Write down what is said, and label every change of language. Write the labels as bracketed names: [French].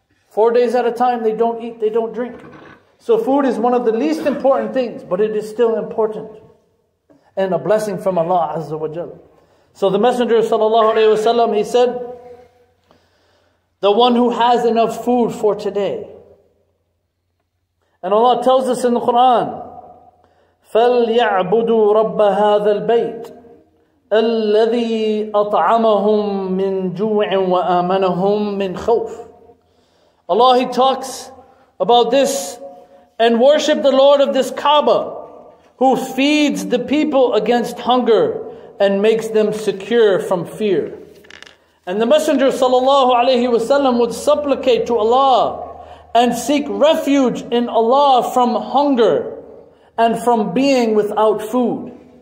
[English] 4 days at a time, they don't eat, they don't drink. So food is one of the least important things, but it is still important. And a blessing from Allah Azza wa Jalla. So the Messenger Sallallahu Alaihi Wasallam, he said, the one who has enough food for today. And Allah tells us in the Quran, [Arabic] فَلْيَعْبُدُوا رَبَّ هَذَا الْبَيْتِ الَّذِي أَطْعَمَهُمْ مِنْ جُوعٍ وَآمَنَهُمْ مِنْ خَوْفٍ. [English] Allah, he talks about this, and worship the Lord of this Kaaba, who feeds the people against hunger and makes them secure from fear. And the Messenger sallallahu alaihi wasallam would supplicate to Allah and seek refuge in Allah from hunger and from being without food.